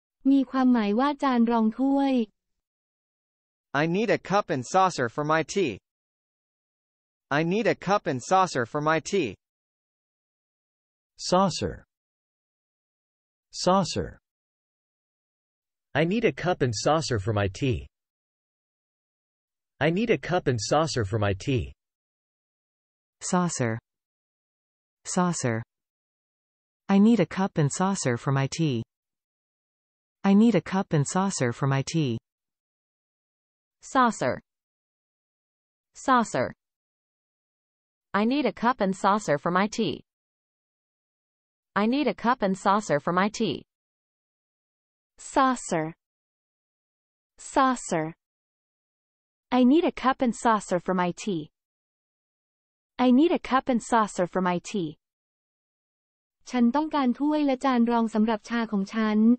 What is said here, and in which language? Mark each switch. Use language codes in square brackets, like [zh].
[th] มีความหมายว่าจานรองถ้วย [en] I need a cup and saucer for my tea. I need a cup and saucer for my tea. Saucer. Saucer. I need a cup and saucer for my tea. I need a cup and saucer for my tea. Saucer. Saucer. I need a cup and saucer for my tea. I need a cup and saucer for my tea. Saucer. Saucer. I need a cup and saucer for my tea. I need a cup and saucer for my tea. Saucer. Saucer. I need a cup and saucer for my tea. I need a cup and saucer for my tea. [th] ฉันต้องการถ้วยและจานรองสำหรับชาของฉัน